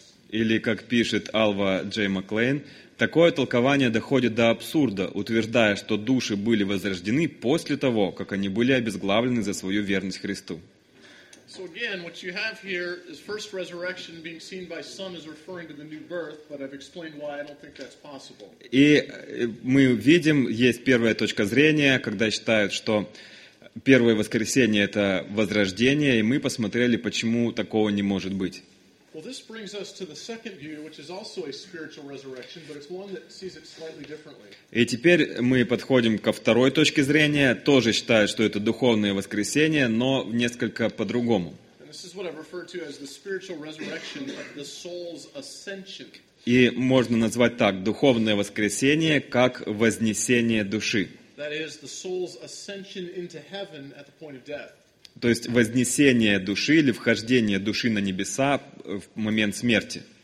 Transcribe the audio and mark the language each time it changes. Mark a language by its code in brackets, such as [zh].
[ru] Или как пишет Алва Джей Маклейн, такое толкование доходит до абсурда, утверждая, что души были возрождены после того, как они были обезглавлены за свою верность Христу. [en] So again, what you have here is first resurrection being seen by some as referring to the new birth, but I've explained why I don't think that's possible. [ru] И мы видим, есть первая точка зрения, когда считают, что первое воскресенье – это возрождение, и мы посмотрели, почему такого не может быть. [en] Well, this brings us to the second view, which is also a spiritual resurrection, but it's one that sees it slightly differently. [ru] И теперь мы подходим ко второй точке зрения, тоже считая, что это духовное воскресение, но несколько по-другому. [en] And this is what I refer to as the spiritual resurrection of the soul's ascension. [ru] И можно назвать так, духовное воскресение как вознесение души. [en] That is the soul's ascension into heaven at the point of death. [ru] То есть вознесение души или вхождение души на небеса в момент смерти.